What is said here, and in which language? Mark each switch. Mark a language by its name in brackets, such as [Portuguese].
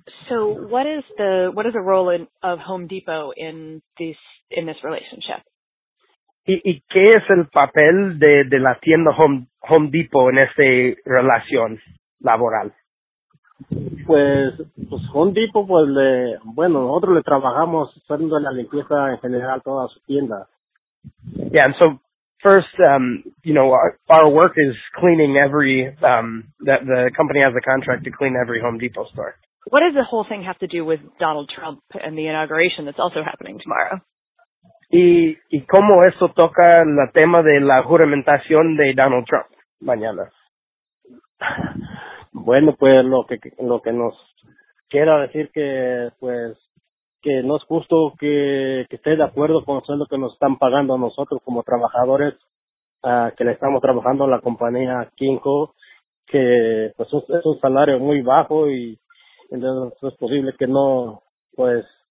[English] So what is the role of Home Depot in this relationship? [Spanish] ¿Y qué es el papel de la tienda Home Depot en esta relación laboral? Pues Home Depot, nosotros le trabajamos haciendo la limpieza en general toda su tienda. [English] Yeah, and so first, our work is cleaning every, the company has a contract to clean every Home Depot store. What does the whole thing have to do with Donald Trump and the inauguration that's also happening tomorrow? [Spanish] ¿Y cómo eso toca el tema de la juramentación de Donald Trump mañana? Bueno, pues lo que nos quiera decir que no es justo que esté de acuerdo con lo que nos están pagando a nosotros como trabajadores, que le estamos trabajando a la compañía Kimco, que pues es un salario muy bajo, y entonces es posible que no, pues,